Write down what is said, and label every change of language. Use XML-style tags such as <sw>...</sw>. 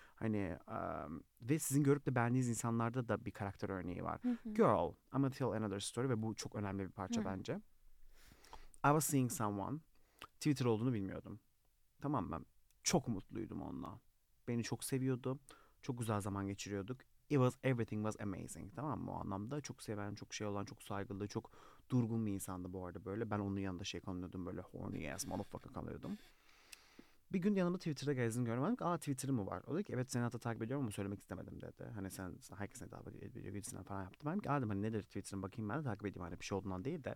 <tr>Hani ve sizin görüp de beğendiğiniz insanlarda da bir karakter örneği var.</tr> <en>Girl, I'm gonna tell another story</en> <tr>ve bu çok önemli bir parça bence.</tr> <en>I was seeing someone,</en> <tr>Twitter olduğunu bilmiyordum. Tamam mı? Çok mutluydum onunla. Beni çok seviyordu, çok güzel zaman geçiriyorduk.</tr> <en>It was, everything was amazing,</en> <tr>tamam mı, o anlamda. Çok seven, çok şey olan, çok saygılı, çok durgun bir insandı bu arada böyle. Ben onun yanında şey kalıyordum böyle,</tr> <en>horny ass motherfucker</en> <tr>kalıyordum. Bir gün yanımda Twitter'da gezdim, gördüm. Ben dedim ki aa, Twitter'ı mı var? O dedi ki evet, seni hatta takip ediyorum ama söylemek istemedim dedi. Hani sen herkes ne davet ediyor, birisinden falan yaptı. Ben dedim ki aa, dedim, hani nedir Twitter'ın, bakayım ben de takip edeyim, hani bir şey olduğundan değil de.</tr>